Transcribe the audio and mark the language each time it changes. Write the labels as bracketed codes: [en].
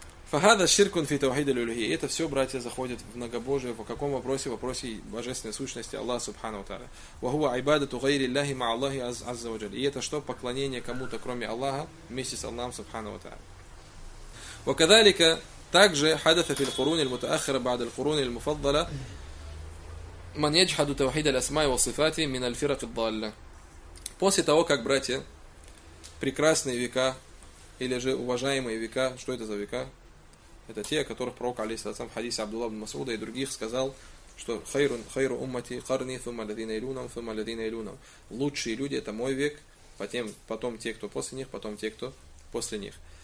[ar] Фахада ширкун фи таухид аль-улухи. [ru] Это все, братья, заходит в многобожие. В каком вопросе? В вопросе божественной сущности Аллаха субхана ва тааля. [ar] Ва хуа айбадату гайри ллахи ма Аллахи азза ва джалли. [ru] И это что? Поклонение кому-то, кроме Аллаха, вместе с Аллахом субхана ва тааля. [ar] Ва кадалика... Также حدث في القرون المتأخرة بعد القرون المفضلة من يجحد توحيد الأسماء والصفات من الفرق الضالة. [ru] После того, как братья прекрасные века или же уважаемые века, что это за века? Это те, о которых пророк алейхиссалям в хадисе Абдулла ибн Масуда и других сказал, что [ar] хайру уммати قرني ثم الذين يلونهم [ru] ثم الذين يلونهم. Лучшие люди это мой век, потом те, кто после них, потом те, кто после них.